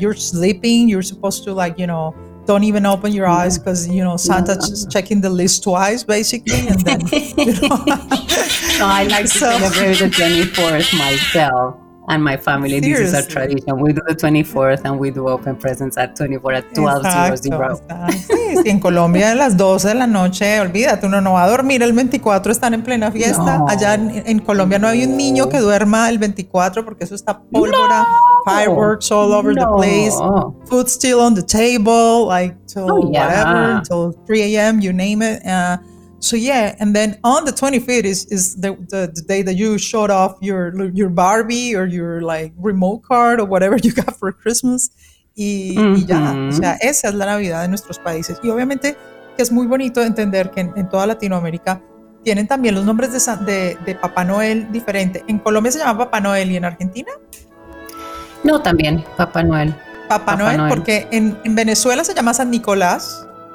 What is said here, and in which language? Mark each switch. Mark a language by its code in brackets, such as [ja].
[en] You're sleeping, you're supposed to, like, you know, don't even open your eyes because, you know, Santa's checking the list twice, basically. And then, you know. No, I like to celebrate the 24th myself and my family. Seriously. This is our tradition. We do the 24th and we do open presents at 24 at 12 00. [es] Sí, en Colombia, a las 12 de la noche, olvídate, uno no va a dormir el 24, están en plena fiesta. No. Allá en Colombia no hay un niño que duerma el 24 porque eso está pólvora. No. [en] Fireworks all over the place, food still on the table, like till whatever, till 3 a.m., you name it. So yeah, and then on the 25th is the day that you showed off your Barbie or your, like, remote card or whatever you got for Christmas. [es] Y ya, o sea, esa es la Navidad de nuestros países. Y obviamente que es muy bonito entender que en toda Latinoamérica tienen también los nombres de Papá Noel diferente. En Colombia se llama Papá Noel, ¿y en Argentina? No, también, Papá Noel. Papá Noel, porque en Venezuela se llama San Nicolás.